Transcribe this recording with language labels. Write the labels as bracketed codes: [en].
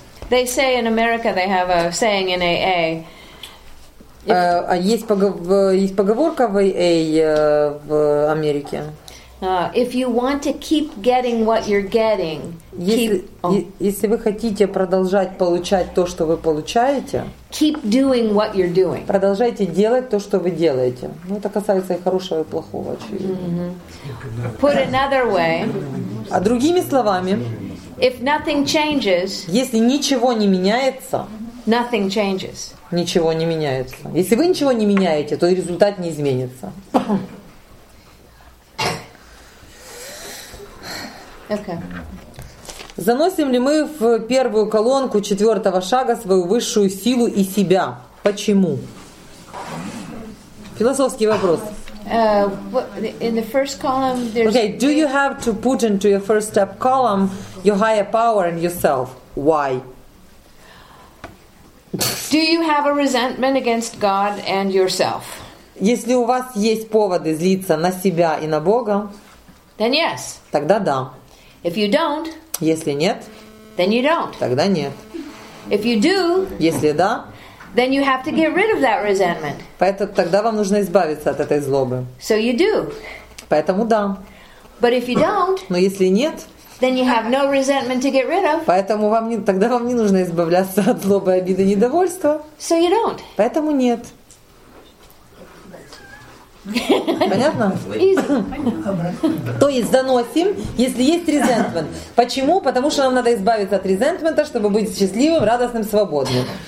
[en] They say in America they have a saying in AA. [ru] Есть поговорка в AA в Америке. [en] If you want to keep getting what you're getting, [ru] если вы хотите продолжать получать то, что вы получаете, [en] keep doing what you're doing. [ru] Продолжайте делать то, что вы делаете. Ну, это касается и хорошего, и плохого, очевидно. [en] Mm-hmm. Put another way. [ru] А другими словами, [en] if nothing changes, [ru] если ничего не меняется, [en] nothing changes. [ru] Ничего не меняется. Если вы ничего не меняете, то и результат не изменится. [en] Okay. [ru] Заносим ли мы в первую колонку четвертого шага свою высшую силу и себя? Почему? Философский вопрос. [en] In the first column, there's. Okay. Do you have to put into your first step column your higher power and yourself? Why? Do you have a resentment against God and yourself? [ru] Если у вас есть поводы злиться на себя и на Бога, [en] then yes. [ru] Тогда да. [en] If you don't, [ru] если нет, [en] then you don't. [ru] Тогда нет. [en] If you do, [ru] если да, [en] then you have to get rid of that resentment. [ru] Поэтому тогда вам нужно избавиться от этой злобы. [en] So you do. [ru] Поэтому да. [en] But if you don't, [ru] но если нет, [en] then you have no resentment to get rid of. [ru] Поэтому вам не нужно избавляться от злобы, обиды, недовольства. [en] So you don't. [ru] Поэтому нет. Понятно? То есть заносим, если есть резентмент. Почему? Потому что нам надо избавиться от резентмента, чтобы быть счастливым, радостным, свободным.